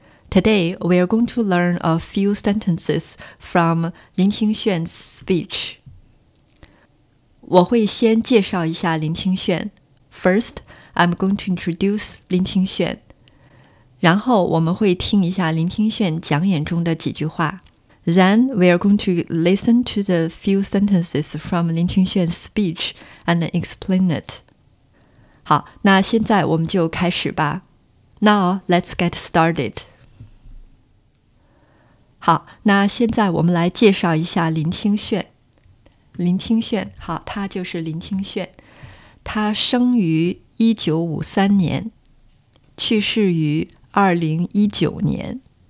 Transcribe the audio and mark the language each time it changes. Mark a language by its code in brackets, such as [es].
[en] Today, we are going to learn a few sentences from 林听炫's speech. [zh] 我会先介绍一下林听炫。 [en] First, I'm going to introduce 林听炫。 [zh] 然后我们会听一下林听炫讲演中的几句话。 [en] Then we are going to listen to the few sentences from 林听炫's speech and explain it. [zh] 好，那现在我们就开始吧。 [en] Now let's get started. [zh] 好，那现在我们来介绍一下林听炫。林听炫，好，他就是林听炫。他生于1953年，去世于2019年。